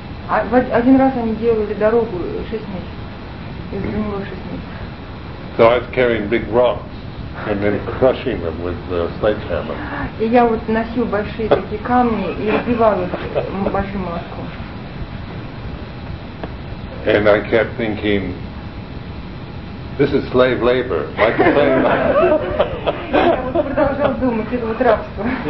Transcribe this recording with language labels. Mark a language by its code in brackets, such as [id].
[ru] А один раз они делали дорогу 6 месяцев. Из него 6 месяцев. [en] So I was carrying big rocks. And then crushing them with the sledgehammer. [ru] И я вот носил большие такие камни и разбивал их большим молотком. [en] And I kept thinking, this is slave labor. Why complain? [ru] Я вот продолжал думать, это вот рабство.